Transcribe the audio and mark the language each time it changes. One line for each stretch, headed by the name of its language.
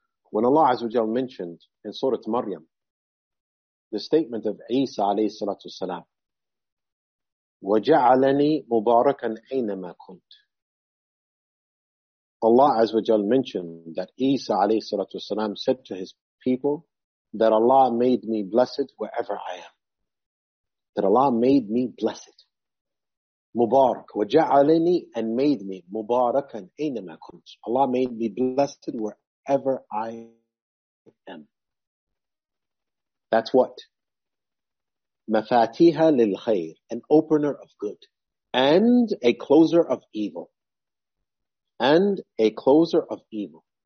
English: When Allah Azza wa Jalla mentioned in Surah Maryam, the statement of Isa alayhi salatu wasalam,
Arabic: وَجَعَلَنِي مُبَارَكًا أَيْنَمَا كُنْتُ.
English: Allah Azza wa Jalla mentioned that Isa alayhi salatu wasalam said to his people that Allah made me blessed wherever I am. That Allah made me blessed.
Arabic: Mubarak. وَجَعَلَنِي
English: and made me
Arabic: مُبَارَكًا أَيْنَمَا كُنْتُ.
English: Allah made me blessed wherever I am. That's what?
Arabic: مَفَاتِيهَ لِلْخَيْرِ,
English: an opener of good and a closer of evil. And a closer of evil.